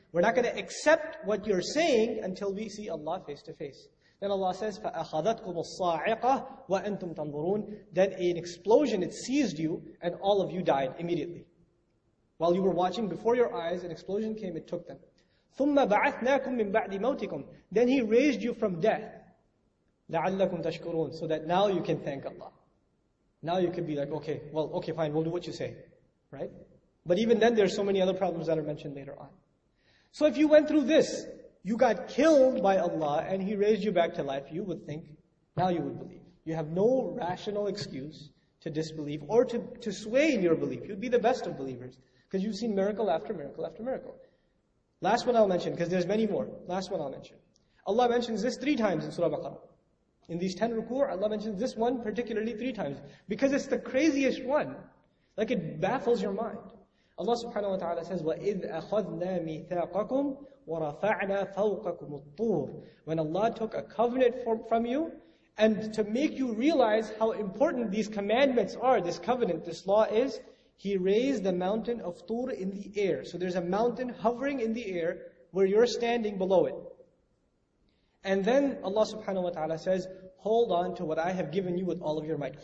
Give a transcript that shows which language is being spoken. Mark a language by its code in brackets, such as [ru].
[en] We're not going to accept what you're saying until we see Allah face to face. Then Allah says, [ar] فَأَخَذَتْكُمُ الصَّاعِقَةِ وَأَنْتُمْ تَنْظُرُونَ. [en] Then an explosion, it seized you, and all of you died immediately. While you were watching, before your eyes, an explosion came, it took them. [ar] ثُمَّ بَعَثْنَاكُمْ مِنْ بَعْدِ مَوْتِكُمْ. [en] Then He raised you from death. [ar] لَعَلَّكُمْ تَشْكُرُونَ. [en] So that now you can thank Allah. Now you can be like, okay, well, okay, fine, we'll do what you say. Right? But even then, there's so many other problems that are mentioned later on. So if you went through this, you got killed by Allah and He raised you back to life, you would think, now you would believe. You have no rational excuse to disbelieve or to sway in your belief. You'd be the best of believers because you've seen miracle after miracle after miracle. Last one I'll mention, because there's many more. Last one I'll mention. Allah mentions this three times in Surah Baqarah. In these 10 ruku', Allah mentions this one particularly three times because it's the craziest one. Like it baffles your mind. Allah subhanahu wa ta'ala says, [ar] وَإِذْ أَخَذْنَا مِثَاقَكُمْ وَرَفَعْنَا فَوْقَكُمُ الطُّورِ. [en] When Allah took a covenant from you, and to make you realize how important these commandments are, this covenant, this law is, He raised the mountain of Tur in the air. So there's a mountain hovering in the air where you're standing below it. And then Allah subhanahu wa ta'ala says, hold on to what I have given you with all of your might.